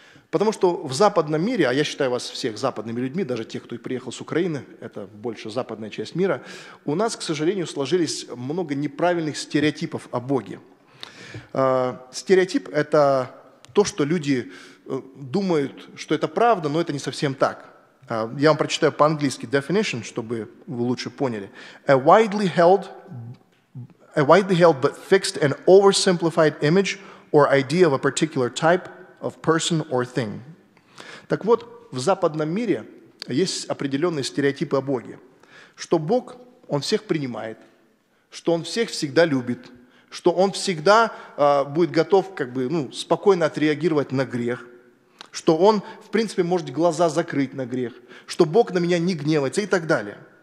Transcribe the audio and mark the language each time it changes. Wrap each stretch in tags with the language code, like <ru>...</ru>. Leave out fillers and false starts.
<ru>Потому что в западном мире, а я считаю вас всех западными людьми, даже тех, кто и приехал с Украины, это больше западная часть мира, у нас, к сожалению, сложились много неправильных стереотипов о Боге. Стереотип – это то, что люди думают, что это правда, но это не совсем так. Я вам прочитаю по-английски definition, чтобы вы лучше поняли.</ru> <en>A widely held but fixed and oversimplified image or idea of a particular type of person or thing.</en> <ru>Так вот, в западном мире есть определенные стереотипы о Боге. Что Бог, Он всех принимает, что Он всех всегда любит, что Он всегда будет готов спокойно отреагировать на грех, что Он, в принципе, может глаза закрыть на грех, что Бог на меня не гневается и так далее.</ru>